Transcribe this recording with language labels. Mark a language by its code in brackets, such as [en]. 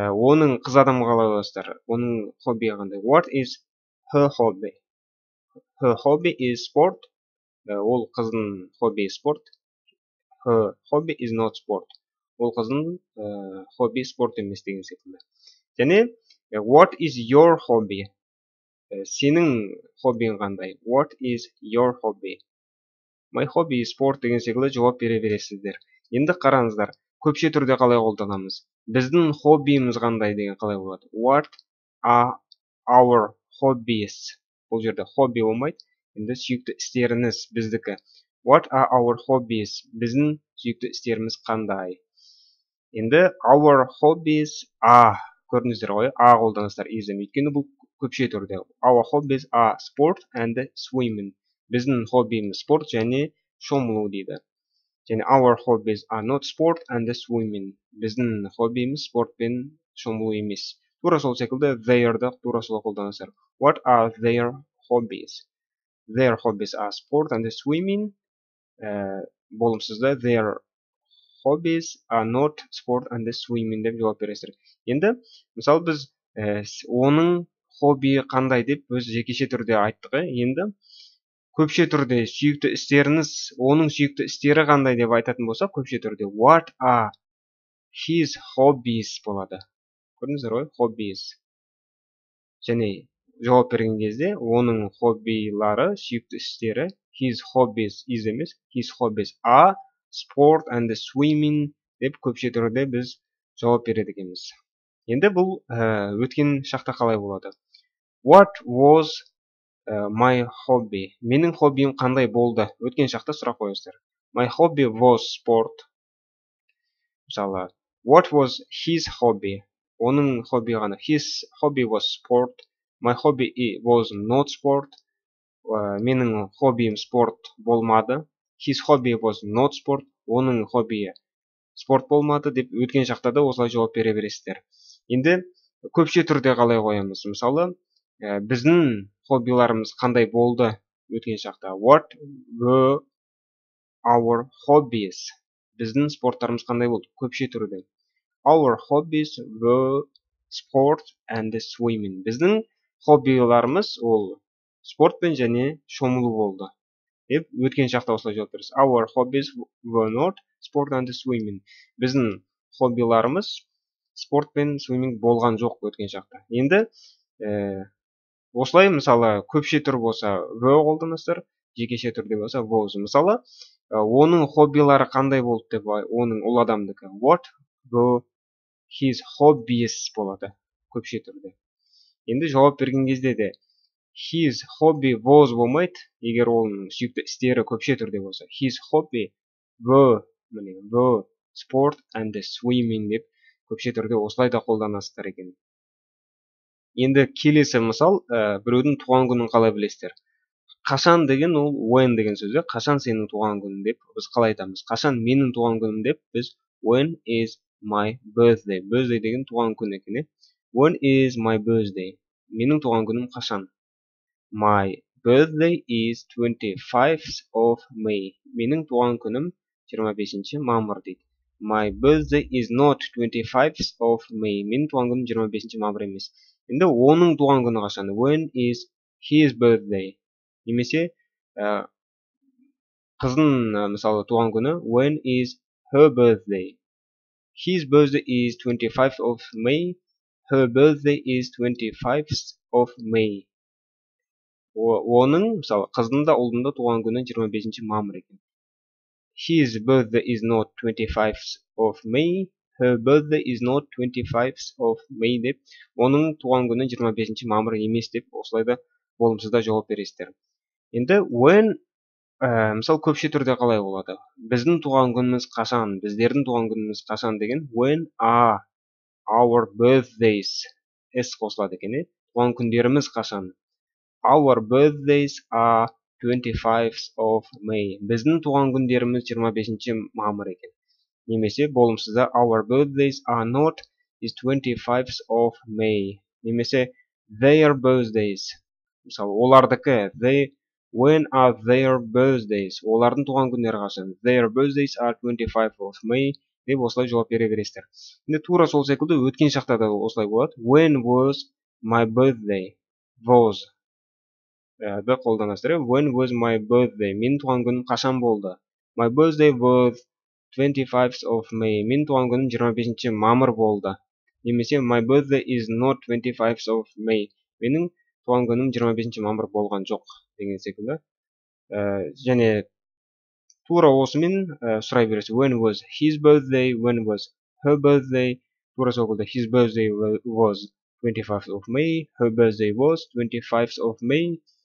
[kk] Оның қыз адамы қалай қоясыз? Оның хоббиі қандай? [en] What is her hobby? Her hobby is sport. [kk] Ол қыздың хоббиі спорт. [en] Her hobby is not sport. [kk] Ол қыздың хоббиі спорт емес деген секілді. [en] Және what is your hobby? [kk] Сенің хоббиің қандай? [en] What is your hobby? My hobby is sport [kk] деген секілді жауап бере бересіздер. Енді қараңыздар, көпше түрде қалай қолданамыз? Біздің хоббиіміз қандай деген қалай болады? [en] What are our hobbies? [kk] Бұл жерде хобби болмайды. Енді сүйікті істеріңіз біздікі. [en] What are our hobbies? [kk] Біздің сүйікті істеріміз қандай? [en] Енді our hobbies are. [kk] Көрдіңіздер ғой, а қолданыңыздар. Өйткені бұл көпше түрде. [en] Our hobbies are sport and swimming. [kk] Біздің хоббиіміз спорт және шомылу дейді. [en] Және our hobbies are not sport and swimming. [kk] Біздің хоббиіміз спорт пен шомылу емес. Тура сол секілді their-ді тура сол қолданыңыздар. [en] What are their hobbies? Their hobbies are sport and swimming. Болымсызда their hobbies are not sport and swimming [kk] деп жауап бересіздер. Енді мысалы біз оның хоббиі қандай деп өз жекеше түрде айттық. Енді көпше түрде сүйікті істеріңіз, оның сүйікті істері қандай деп айтатын болса, көпше түрде [en] what are his hobbies [kk] болады. Көрдіңіздер ғой, hobbies. Және жауап берген кезде оның хоббилары, сүйікті істері [en] his hobbies is [kk] емес, [en] his hobbies are sport and swimming [kk] деп көпше түрде біз жауап береді екенбіз. Енді бұл өткен шақта қалай болады? [en] What was my hobby? [kk] Менің хоббиім қандай болды? Өткен шақта сұрақ қойыңыздар. [en] My hobby was sport. Мысалы, what was his hobby? [kk] Оның хобби ғана. [en] His hobby was sport. My hobby was not sport. [kk] Менің хоббиім спорт болмады. [en] His hobby was not sport. [kk] Оның хоббиі спорт болмады деп өткен шақта да осылай жауап бере бересіздер. Енді көпше түрде қалай қоямыз? Мысалы, біздің хоббиларымыз қандай болды өткен шақта? [en] What were our hobbies? [kk] Біздің спорттарымыз қандай болды көпше түрде? [en] Our hobbies were sport and swimming. [kk] Біздің хоббиларымыз ол спорт пен және шомылу болды. Деп өткен шақта осылай жауап бересіз. [en] Our hobbies were not sport and swimming. [kk] Біздің хоббиларымыз спорт пен swimming болған жоқ өткен шақта. Енді осылай мысалы көпше түр болса were қолданасыздар, жекеше түрде болса was. Мысалы оның хоббилары қандай болды деп оның ол адамдікі. [en] What were his hobbies [kk] болады көпше түрде. Енді жауап берген кезде де his hobby was болмайды, егер оның сүйікті істері көпше түрде болса. [en] His hobby were sport and swimming [kk] деп көпше түрде осылай да қолданасыздар екен. Енді келесі мысал, біреудің туған күнін қалай білесіздер? Қашан деген ол when деген сөзі. Қашан сенің туған күнің деп біз қалай айтамыз? Қашан менің туған күнім деп біз [en] when is my birthday. [kk] Birthday деген туған күн екен. [en] When is my birthday? [kk] Менің туған күнім қашан? [en] My birthday is 25th of May. [kk] Менің туған күнім 25-ші мамыр дейді. [en] My birthday is not 25th of May. [kk] Менің туған күнім 25-ші мамыр емес. Енді оның туған күні қашан? [en] When is his birthday? [kk] Немесе қызының мысалы туған күні [en] when is her birthday? His birthday is 25th of May. Her birthday is 25th of May. [kk] Оның мысалы қызының да ұлдың да туған күні 25-ші мамыр екен. [en] His birthday is not 25th of May. Her birthday is not 25th of May [kk] деп, оның туған күні 25-ші мамыр емес деп, осылай да болымсыз да жауап бересіздер. Енді when Мысал көпше түрде қалай болады? Біздің туған күніміз қашан? Біздердің туған күніміз қашан деген [en] when are our birthdays? [kk] S қосылады екен. Туған күндеріміз қашан? [en] Our birthdays are 25th of May. [kk] Біздің туған күндеріміз 25-ші мамыр екен. Немесе болымсызда [en] our birthdays are not is 25th of May. Немесе their birthdays. [kk] Мысалы, олардыкі [en] they when are their birthdays? [kk] Олардың туған күндері қашан? [en] Their birthdays are 25th of May. [kk] Деп осылай жауап бере бересіздер. Енді тура сол секілді өткен шақта да осылай болады. [en] When was my birthday? Was. [kk] Бі қолданасыздар. [en] When was my birthday? [kk] Мен туған күнім қашан болды? [en] My birthday was 25th of May. [kk] Мен туған күнім 25-ші мамыр болды. [en] Немесе my birthday is not 25th of May. [kk] Менің туған күнім 25-ші мамыр болған жоқ. Деген секілді. Және тура осымен сұрай бересіз. [en] When was his birthday? When was her birthday? Тура секілді. His birthday was 25th of May. Her birthday was 25th of May.